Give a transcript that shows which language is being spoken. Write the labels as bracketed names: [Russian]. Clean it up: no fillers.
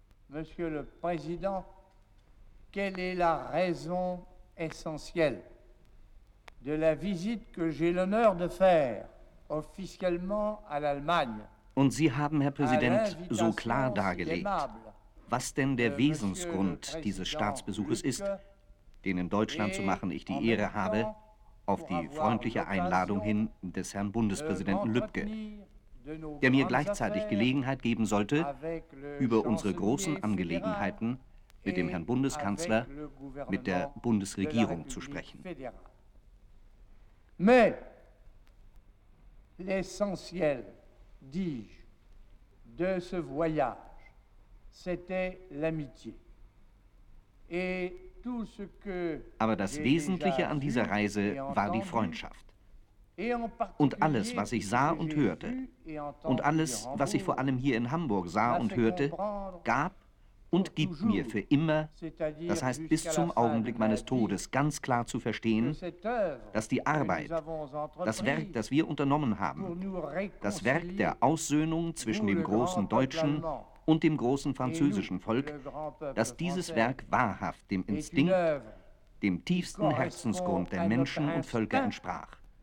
[French] Monsieur le Président, quelle est la raison essentielle de la visite que j'ai l'honneur de faire? [German] Und Sie haben, Herr Präsident, so klar dargelegt, was denn der Wesensgrund dieses Staatsbesuches ist, den in Deutschland zu machen ich die Ehre habe, auf die freundliche Einladung hin des Herrn Bundespräsidenten Lübcke, der mir gleichzeitig Gelegenheit geben sollte, über unsere großen Angelegenheiten mit dem Herrn Bundeskanzler, mit der Bundesregierung zu sprechen. [French] Mais l'essentiel, dis-je, de ce voyage, c'était l'amitié. Et tout ce que [German] Aber das Wesentliche an dieser Reise war die Freundschaft. Und alles, was ich sah und hörte, und alles, was ich vor allem hier in Hamburg sah und hörte, gab und gibt mir für immer, das heißt bis zum Augenblick meines Todes, ganz klar zu verstehen, dass die Arbeit, das Werk, das wir unternommen haben, das Werk der Aussöhnung zwischen dem großen deutschen und dem großen französischen Volk, dass dieses Werk wahrhaft dem Instinkt, dem tiefsten Herzensgrund der Menschen und Völker entsprach.